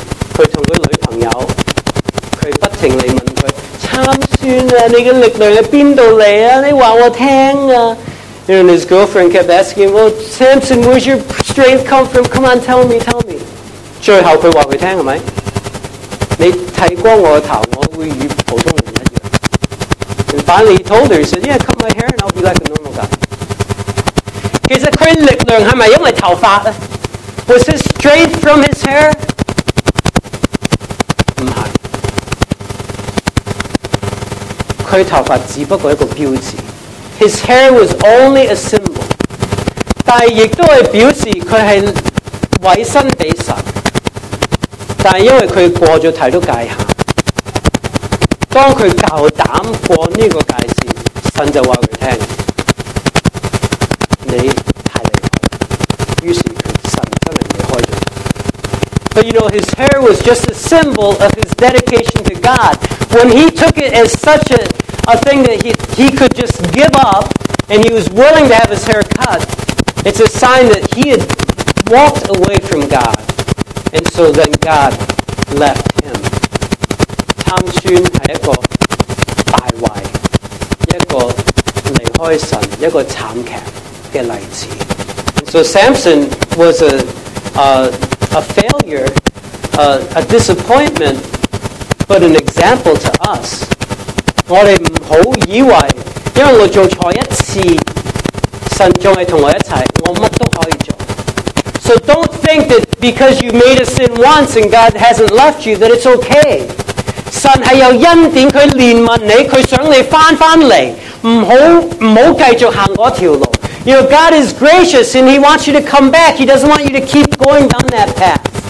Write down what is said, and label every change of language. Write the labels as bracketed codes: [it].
[zh] 他跟他女朋友，他不停地问他，参孙啊，你的力量在哪里来啊？你告诉我听啊。 [en] You know, and his girlfriend kept asking him, well, Samson, where's your strength come from? Come on, tell me, tell me. [zh] 最后他告诉他，是吧？你剃光我的头，我会与普通人一样。 [en] And finally, he told her, he said, yeah, cut my hair and I'll be like a normal guy. [zh] 其实他力量是不是因为头发？ [en] Was his strength from his hair? [zh] 不是。他头发只不过一个标志。 [en] His hair was only a symbol. [zh] 但亦都是表示他是委身给神。但因为他过了太多界限，当他够胆过这个界线，神就告诉他，你太厉害。于是神真的离开了。 [en] But you know, his hair was just a symbol of his dedication to God. When he took it as such a thing that he could just give up and he was willing to have his hair cut, it's a sign that he had walked away from God. And so then God left him. [zh] 参孙是一个败坏，一个离开神，一个惨剧的例子。 [en] So Samson was a failure, a disappointment, but an example to us. [zh] 我们不要以为, 因为我做错一次,神还跟我一起, [en] so don't think that because you made a sin once and God hasn't left you, that it's okay. [zh] 神还有恩典去怜悯你,祂想你回来,不要继续走那条路。 [en] You know, God is gracious and He wants you to come back. He doesn't want you to keep going down that path.